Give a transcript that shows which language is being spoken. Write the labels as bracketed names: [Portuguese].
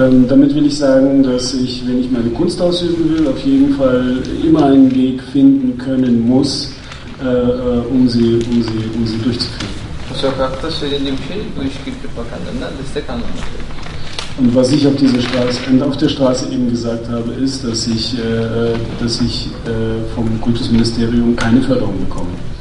[German] Damit will ich sagen, dass ich, wenn ich meine Kunst ausüben will, auf jeden Fall immer einen Weg finden können muss, um sie durchzuführen. [Turkish] Sokakta söylediğim şey bu iş Kültür Bakanlığı'ndan destek anlamak. [German] Und was ich auf dieser Straße und auf der Straße eben gesagt habe, ist, dass ich vom Kultusministerium keine Förderung bekomme.